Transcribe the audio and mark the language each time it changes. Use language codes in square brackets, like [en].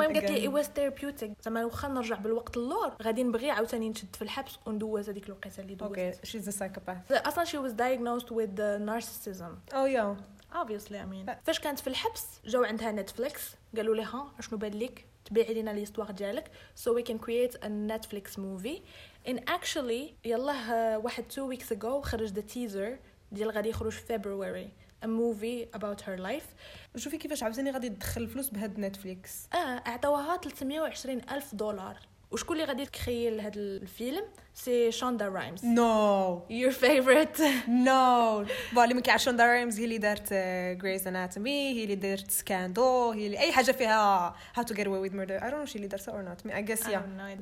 [ar] المهم قالت لي [en] I was therapeutic [ar] زعما واخا نرجع بالوقت اللور غادي نبغي عاوتاني نشد في الحبس وندوز هذيك الوقيته اللي دوزت. [en] okay she the psychopath [ar] اصلا [en] She was diagnosed with narcissism. Oh yeah [ar] اوبفيسلي امين فاش كانت في الحبس جاو عندها نتفليكس قالوا لها شنو بان لك تبيعي لنا الهستوار ديالك [en] so we can create a Netflix movie. And actually [ar] يلاه واحد [en] 2 weeks ago خرج the teaser [ar] ديال غادي يخرج [en] في February a movie about her life. [ar] شوفي كيفاش عاوزاني غادي تدخل الفلوس بهاد نتفليكس. اعطوها 320 ألف دولار. وشكون اللي غادي تكريي لهاد الفيلم؟ سي شوندا رايمز. [en] No your favourite. [ar] نو بالي ما كاين شوندا رايمز هي اللي دارت غريز اناتومي، هي اللي دارت سكاندل، هي اللي اي حاجه فيها [en] How to get away with murder. I don't know شي [ar] اللي دارتها [en] or not me I guess yeah